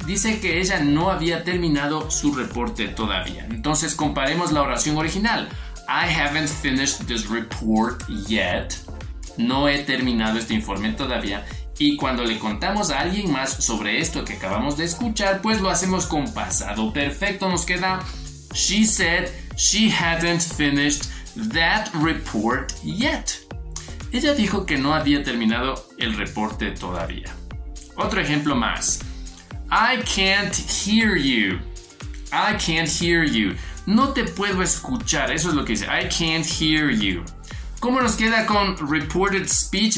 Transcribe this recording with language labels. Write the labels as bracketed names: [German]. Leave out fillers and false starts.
[Spanish] Dice que ella no había terminado su reporte todavía. Entonces comparemos la oración original. [English] I haven't finished this report yet. [Spanish] No he terminado este informe todavía. Y cuando le contamos a alguien más sobre esto que acabamos de escuchar, pues lo hacemos con pasado perfecto. Nos queda, [English] she said she hadn't finished that report yet. [Spanish] Ella dijo que no había terminado el reporte todavía. Otro ejemplo más. [English] I can't hear you. I can't hear you. [Spanish] No te puedo escuchar. Eso es lo que dice. [English] I can't hear you. [Spanish] ¿Cómo nos queda con [English] reported speech?